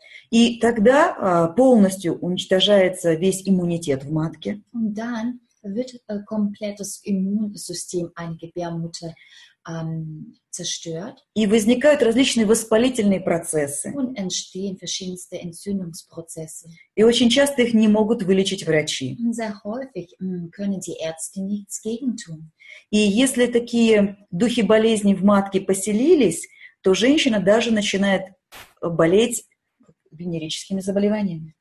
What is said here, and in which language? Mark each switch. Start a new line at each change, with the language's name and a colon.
Russian: И тогда полностью уничтожается весь иммунитет в матке.
German: Und dann wird komplettes Immunsystem einer Gebärmutter zerstört.
Russian: И возникают различные воспалительные процессы.
German: Und entstehen verschiedenste Entzündungsprozesse.
Russian: И очень часто их не могут вылечить врачи.
German: Und sehr häufig können die Ärzte nichts gegen tun.
Russian: И если такие духи болезни в матке поселились, то женщина даже начинает болеть венерическими заболеваниями.